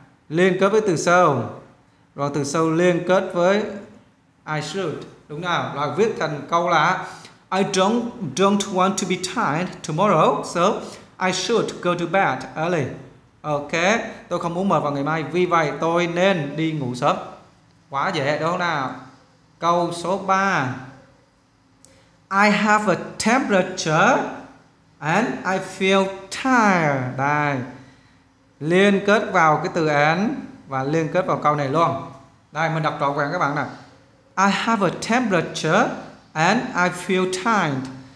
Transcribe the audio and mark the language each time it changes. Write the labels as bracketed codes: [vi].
[vi] Liên kết với từ so. Rồi từ so liên kết với I should. Đúng nào? Rồi viết thành câu là [en] I don't want to be tired tomorrow. So I should go to bed early. [vi] Ok, tôi không muốn mệt vào ngày mai, vì vậy tôi nên đi ngủ sớm. Quá dễ đúng không nào? Câu số 3. [en] I have a temperature and I feel tired. [vi] Đây. Liên kết vào cái từ and và liên kết vào câu này luôn. Đây, mình đọc trọn vẹn các bạn nè. [en] I have a temperature and I feel tired.